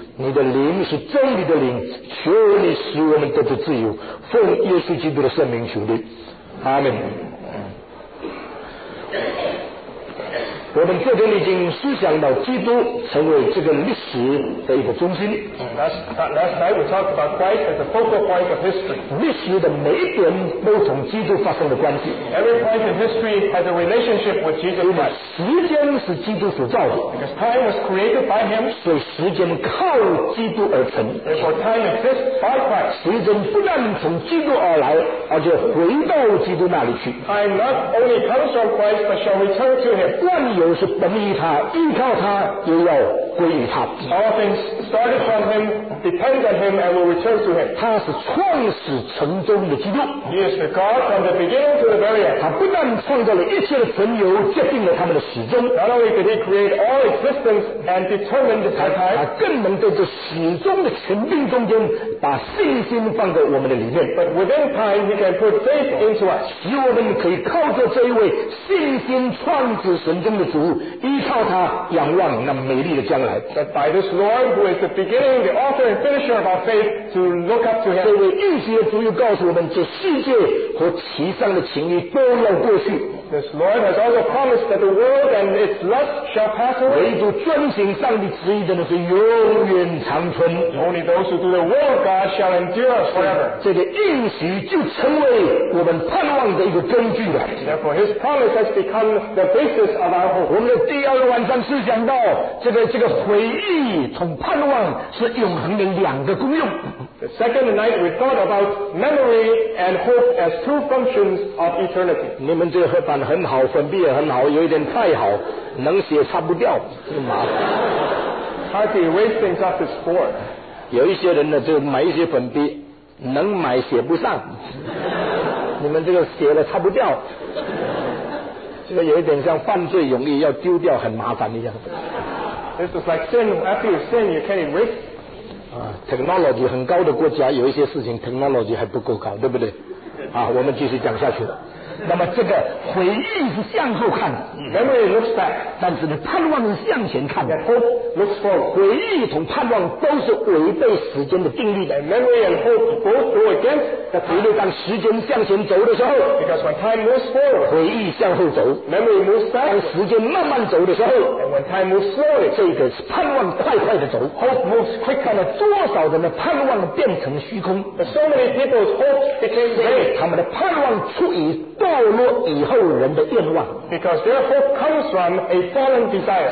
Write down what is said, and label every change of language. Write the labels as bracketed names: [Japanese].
[Chinese] 你的灵是真理的灵，求你使我们得到自由，奉耶稣基督的圣名求你，阿们。我们这边已经思想到基督成为这个历史的一个中心。 [English] Last night we talked about Christ as the focal point of history. [Chinese] 历史的每一点都同基督发生的关系。 [English] Every point in history has a relationship with Jesus Christ. [Chinese] 时间是基督所造的。 [English] Because time was created by him. [Chinese] 所以时间靠基督而成。 [English] Therefore time exists by Christ. [Chinese] 时间不但从基督而来，而且回到基督那里去。 [English] Time not only comes from Christ, but shall return to him. [Chinese] 有是本意他依靠他，也要归于他。 [English] All things started from him, depend on him, and will return to him. [Chinese] 他是创始成终的基督。 [English] He is the God from the beginning to the very end. [Chinese] 他不但创造了一切的存有，决定了他们的始终。 [English] Not only did he create all existence and determine the time, [Chinese] 他更能在这始终的权柄中间，把信心放在我们的里面。 [English] But within time, he can put faith into us, [Chinese] 使我们可以靠着这一位信心创始神中的主，依靠他仰望那美丽的将来。 [English] But by this Lord who is the beginning, the author and finisher of our faith, to look up to him. [Chinese] 这位应许的主又告诉我们，这世界和其上的情欲都要过去。 [English] This Lord has also promised that the world and its lust shall pass away. [Chinese] 唯独遵行上帝旨意的人是永远长存。 [English] Only those who do the will of God shall endure forever. [Chinese] 这个应许就成为我们盼望的一个根据了。 [English] Therefore, His promise has become the basis of our hope. [Chinese] 我们的第二晚上是讲到这个回忆同盼望是永恒的两个功用。 [English] The second night we thought about memory and hope as two functions of eternity. [Chinese] 你们这个版很好，粉笔也很好，有一点太好，能写擦不掉，是吗？ [English] How to erase things off this board? [Chinese] 有一些人呢，就买一些粉笔，能买写不上。你们这个写了擦不掉，这个有一点像犯罪容易，要丢掉很麻烦的样子。 [English] This is like sin. After you sin, you can't erase. [Chinese] Technology 很高的国家，有一些事情 technology 还不够高，对不对？啊，我们继续讲下去。那么这个回忆是向后看的 [English] ，memory looks back， [Chinese] 但是呢，盼望是向前看的 [English] ，hope looks forward。 [Chinese] 回忆同盼望都是违背时间的定律的 [English] ，memory and hope both go against the time。 [Chinese] 比如当时间向前走的时候 [English] ，because when time moves forward， [Chinese] 回忆向后走 [English] ，memory moves back。 [Chinese] 当时间慢慢走的时候 [English] ，and when time moves slowly， [Chinese] 这个盼望快快的走 [English] ，hope moves quickly。 [Chinese] 看了多少人的盼望变成虚空 [English] ，but so many people's hopes became vain。 [Chinese] 他们的盼望出于堕落以后人的愿望 [English] ，because their hope comes from a fallen desire。